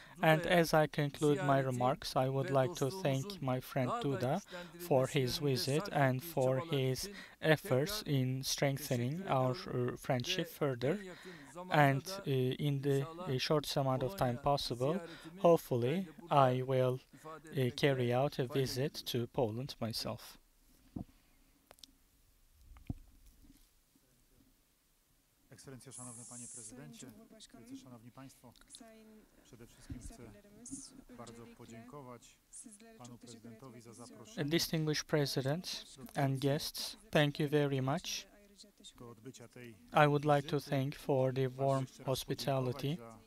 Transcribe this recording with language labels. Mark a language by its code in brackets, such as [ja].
[en] And as I conclude my remarks, I would like to thank my friend Duda for his visit and for his efforts in strengthening our friendship further. And in the shortest amount of time possible, hopefully, I will carry out a visit to Poland myself. [pl] Excelencjo, Szanowny Panie Prezydencie, Szanowni Państwo, przede wszystkim chcę bardzo podziękować Panu Prezydentowi za zaproszenie. [en] Distinguished President and guests, thank you very much. I would like to thank for the warm hospitality.